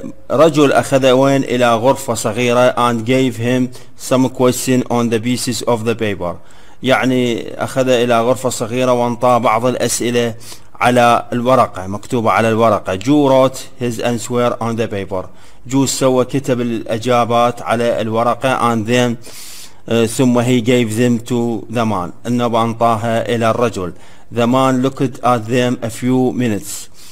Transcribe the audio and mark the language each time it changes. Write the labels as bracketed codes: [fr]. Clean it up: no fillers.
[ar] رجل أخذ وين إلى غرفة صغيرة. [en] And gave him some question on the pieces of the paper. [ar] يعني أخذ إلى غرفة صغيرة وانطى بعض الأسئلة على الورقة، مكتوبة على الورقة. [en] Joe wrote his answer on the paper. [ar] جو سوى كتب الأجابات على الورقة. [en] And then [ar] ثم [en] he gave them to the man. [ar] إنه بانطاها إلى الرجل. [en] The man looked at them a few minutes.